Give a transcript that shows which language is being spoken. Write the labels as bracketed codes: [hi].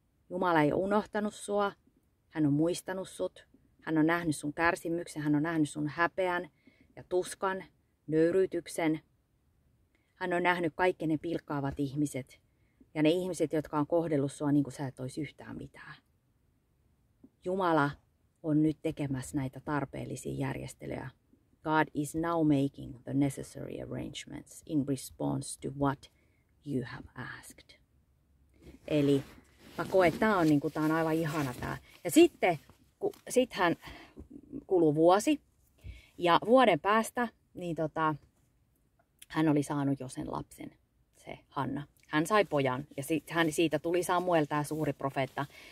[fi] Jumala ei ole unohtanut sua, hän on muistanut sut, hän on nähnyt sun kärsimyksen, hän on nähnyt sun häpeän ja tuskan, nöyryytyksen. Hän on nähnyt kaikki ne pilkkaavat ihmiset ja ne ihmiset, jotka on kohdellut sua niin kuin sä et olisi yhtään mitään. Jumala on nyt tekemässä näitä tarpeellisia järjestelyjä. [en] God is now making the necessary arrangements in response to what you have asked. [fi] Eli mä koen, että tämä on, niin kuin, tämä on aivan ihana tämä. Ja sitten sittenhän kului vuosi ja vuoden päästä niin hän oli saanut jo sen lapsen, se Hanna. Hän sai pojan ja siitä tuli Samuel, tämä suuri profeetta.